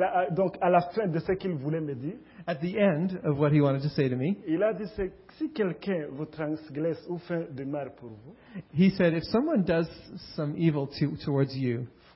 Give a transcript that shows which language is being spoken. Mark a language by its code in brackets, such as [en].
[fr] Donc, à la fin de ce qu'il voulait me dire, [en] at the end of what he wanted to say to me, [fr] il a dit, si quelqu'un vous transgresse ou fait du mal pour vous, [en] he said, if someone does some evil towards you,